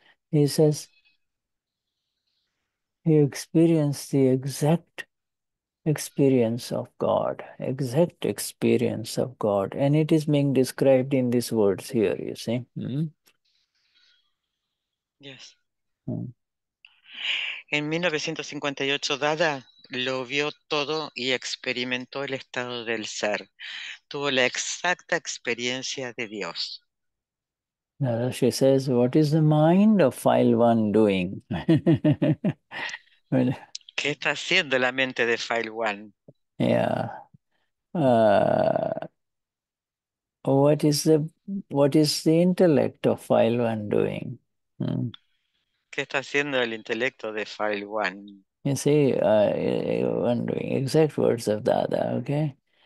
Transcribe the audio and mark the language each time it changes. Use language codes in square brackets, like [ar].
[en] He says he experienced the exact experience of God, exact experience of God, and it is being described in these words here, you see. Yes. [es] En 1958, Dada lo vio todo y experimentó el estado del ser. Tuvo la exacta experiencia de Dios. [en] Dada, she says, what is the mind of File One doing? [es] Well, ¿qué está haciendo la mente de File One? [en] Yeah. What is the intellect of File One doing? [es] ¿Qué está haciendo el intelecto de File One? [en] You see, wondering exact words of Dada, okay?